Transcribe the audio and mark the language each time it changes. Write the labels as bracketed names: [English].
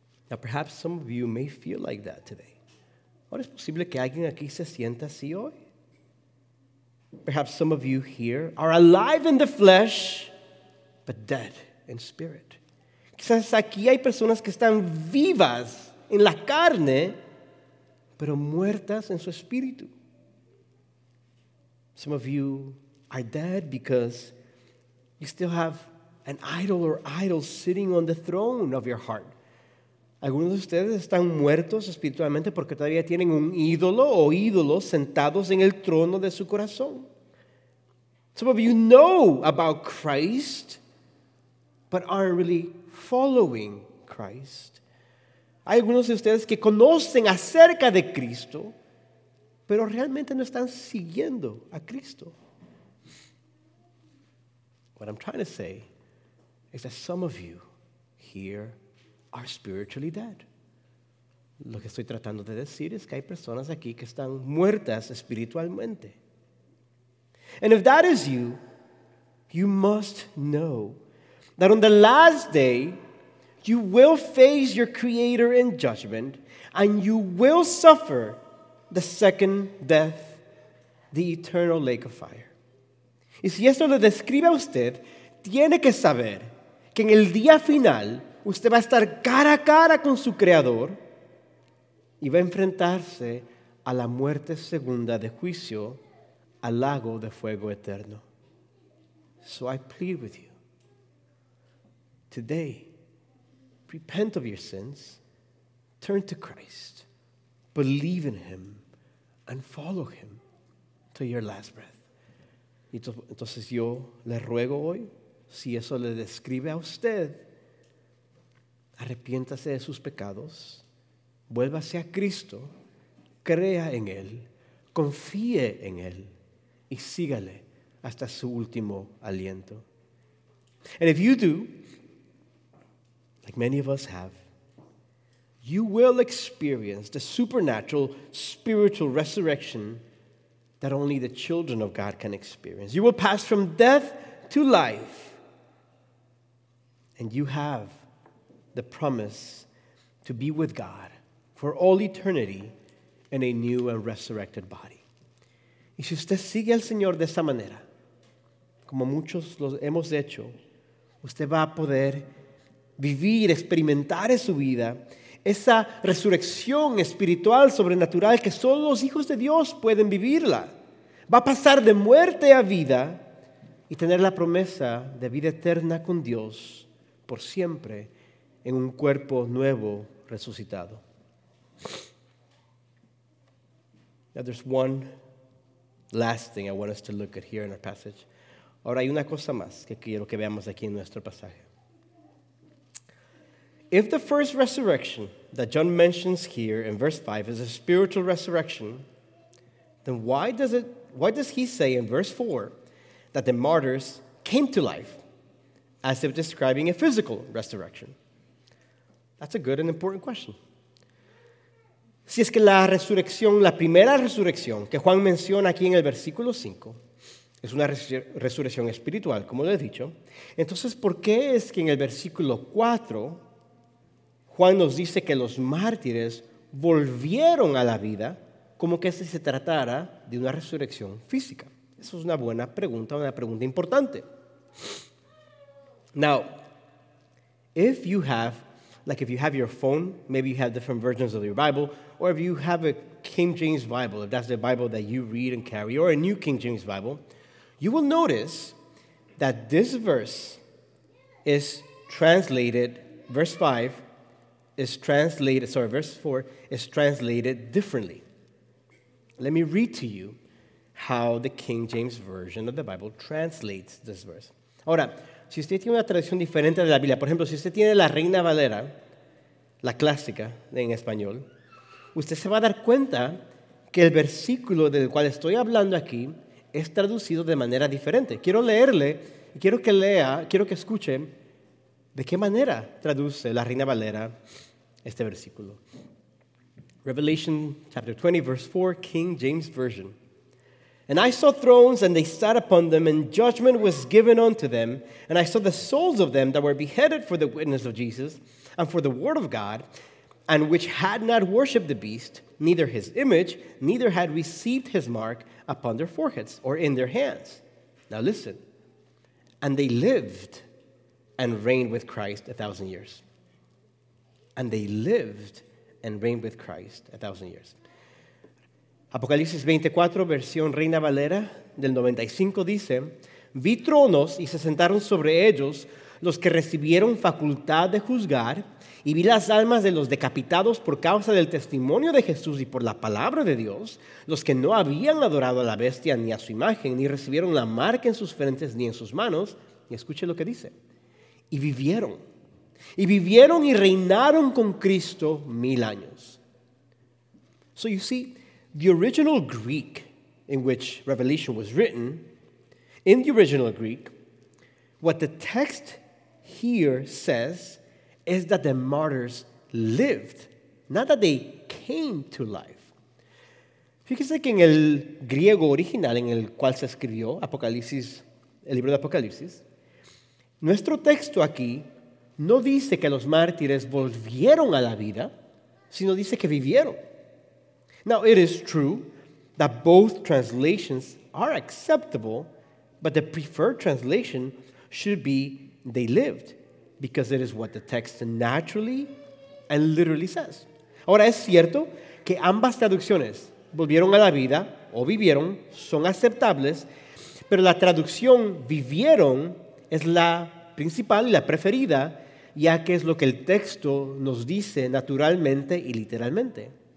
[English] Now, perhaps some of you may feel like that today. [Spanish] ¿Ahora es posible que alguien aquí se sienta así hoy? [English] Perhaps some of you here are alive in the flesh, but dead in spirit. [Spanish] Quizás aquí hay personas que están vivas en la carne, pero muertas en su espíritu. [English] Some of you are dead because you still have an idol or idols sitting on the throne of your heart. [Spanish] Algunos de ustedes están muertos espiritualmente porque todavía tienen un ídolo o ídolos sentados en el trono de su corazón. [English] Some of you know about Christ, but aren't really following Christ. [Spanish] Hay algunos de ustedes que conocen acerca de Cristo, pero realmente no están siguiendo a Cristo. [English] What I'm trying to say is that some of you here are spiritually dead. [Spanish] Lo que estoy tratando de decir es que hay personas aquí que están muertas espiritualmente. [English] And if that is you, you must know that on the last day, you will face your Creator in judgment, and you will suffer the second death, the eternal lake of fire. [Spanish] Y si esto lo describe a usted, tiene que saber que en el día final, usted va a estar cara a cara con su Creador y va a enfrentarse a la muerte segunda de juicio, al lago de fuego eterno. [English] So I plead with you, today, repent of your sins, turn to Christ, believe in Him, and follow Him to your last breath. [Spanish] Entonces yo le ruego hoy, si eso le describe a usted, arrepiéntase de sus pecados, vuélvase a Cristo, crea en Él, confíe en Él, y sígale hasta su último aliento. [English] And if you do, like many of us have, you will experience the supernatural spiritual resurrection that only the children of God can experience. You will pass from death to life, and you have the promise to be with God for all eternity in a new and resurrected body. [Spanish] Y si usted sigue al Señor de esa manera, como muchos lo hemos hecho, usted va a poder vivir, experimentar en su vida esa resurrección espiritual sobrenatural que solo los hijos de Dios pueden vivirla. Va a pasar de muerte a vida y tener la promesa de vida eterna con Dios por siempre en un cuerpo nuevo resucitado. [English] Now there's one last thing I want us to look at here in our passage. [Spanish] Ahora hay una cosa más que quiero que veamos aquí en nuestro pasaje. [English] If the first resurrection that John mentions here in verse 5 is a spiritual resurrection, then why does he say in verse 4 that the martyrs came to life as if describing a physical resurrection? That's a good and important question. [Spanish] Si es que la resurrección, la primera resurrección que Juan menciona aquí en el versículo 5, es una resurrección espiritual, como lo he dicho, entonces, ¿por qué es que en el versículo 4 Juan nos dice que los mártires volvieron a la vida como que si se tratara de una resurrección física? Esa es una buena pregunta, una pregunta importante. [English] Now, if you have your phone, maybe you have different versions of your Bible, or if you have a King James Bible, if that's the Bible that you read and carry, or a New King James Bible, you will notice that this verse is translated, verse 5, verse 4 is translated differently. Let me read to you how the King James Version of the Bible translates this verse. [Spanish] Ahora, si usted tiene una traducción diferente de la Biblia, por ejemplo, si usted tiene la Reina Valera, la clásica en español, usted se va a dar cuenta que el versículo del cual estoy hablando aquí es traducido de manera diferente. Quiero leerle, quiero que lea, quiero que escuche de qué manera traduce la Reina Valera este versículo. [English] Revelation chapter 20, verse 4, King James Version. And I saw thrones, and they sat upon them, and judgment was given unto them. And I saw the souls of them that were beheaded for the witness of Jesus, and for the word of God, and which had not worshipped the beast, neither his image, neither had received his mark upon their foreheads or in their hands. Now listen. And they lived and reigned with Christ 1,000 years. And they lived and reigned with Christ 1,000 years. [Spanish] Apocalipsis 24, versión Reina Valera del 95, dice, vi tronos y se sentaron sobre ellos los que recibieron facultad de juzgar, y vi las almas de los decapitados por causa del testimonio de Jesús y por la palabra de Dios, los que no habían adorado a la bestia ni a su imagen, ni recibieron la marca en sus frentes ni en sus manos, y escuche lo que dice, y vivieron y reinaron con Cristo 1,000 años. [English] So you see, the original Greek in which Revelation was written, in the original Greek, what the text here says is that the martyrs lived, not that they came to life. [Spanish] Fíjese que en el griego original en el cual se escribió Apocalipsis, el libro de Apocalipsis, nuestro texto aquí no dice que los mártires volvieron a la vida, sino dice que vivieron. [English] Now, it is true that both translations are acceptable, but the preferred translation should be they lived, because it is what the text naturally and literally says. [Spanish] Ahora, es cierto que ambas traducciones, volvieron a la vida o vivieron, son aceptables, pero la traducción vivieron es la principal y la preferida, ya que es lo que el texto nos dice naturalmente y literalmente.